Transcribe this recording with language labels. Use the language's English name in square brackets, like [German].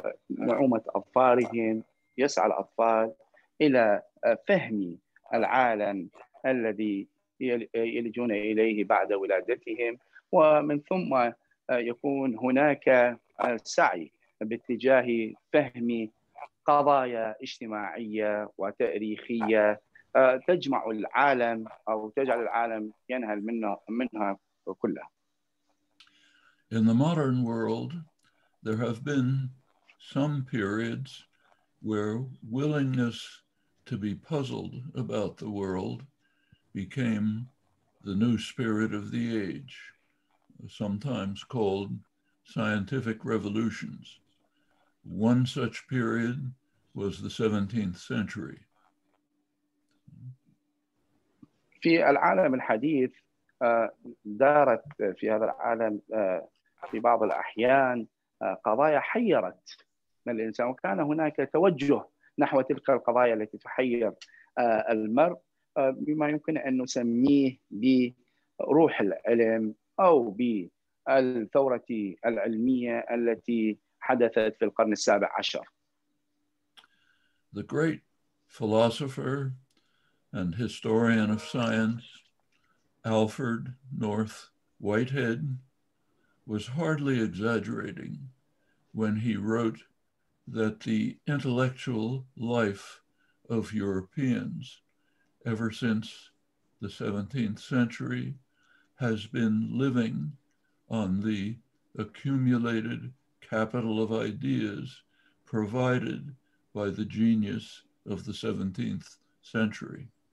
[Arabic] نعومة أطفالهم يسعى الأطفال إلى فهم العالم الذي يلجون إليه بعد ولادتهم، ومن ثم يكون هناك سعي باتجاه فهم قضايا اجتماعية وتاريخية تجمع العالم أو تجعل العالم ينهل منها كلها. [English] In the modern world, there have been some periods where willingness to be puzzled about the world became the new spirit of the age, sometimes called scientific revolutions. One such period was the 17th century. [Arabic] في العالم الحديث دارت في هذا العالم في بعض الأحيان قضايا حيرت الإنسان، وكان هناك توجه نحو تلك القضايا التي تحير المرء بما يمكن أن نسميه بروح العلم أو بالثورة العلمية التي حدثت في القرن السابع عشر. [English] The great philosopher and historian of science, Alfred North Whitehead, was hardly exaggerating when he wrote that the intellectual life of Europeans ever since the 17th century has been living on the accumulated capital of ideas provided by the genius of the 17th century.